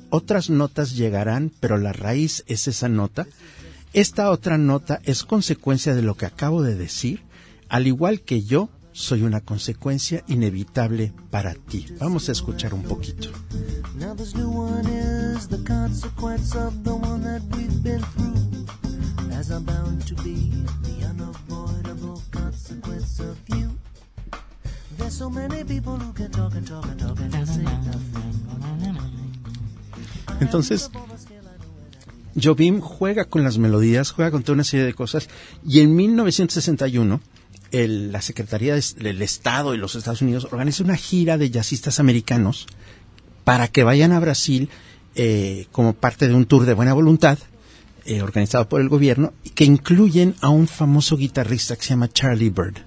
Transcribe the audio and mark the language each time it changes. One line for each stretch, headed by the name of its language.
Spanish: Otras notas llegarán, pero la raíz es esa nota. Esta otra nota es consecuencia de lo que acabo de decir, al igual que yo soy una consecuencia inevitable para ti. Vamos a escuchar un poquito.
English: Now this new one is the consequence of the one that we've been through, as I'm bound to be the unavoidable consequence of you. There's so many people who can talk and talk and talk and just say nothing.
Spanish: Entonces, Jobim juega con las melodías, juega con toda una serie de cosas, y en 1961... la Secretaría del Estado y los Estados Unidos organiza una gira de jazzistas americanos para que vayan a Brasil como parte de un tour de buena voluntad organizado por el gobierno, que incluyen a un famoso guitarrista que se llama Charlie Bird.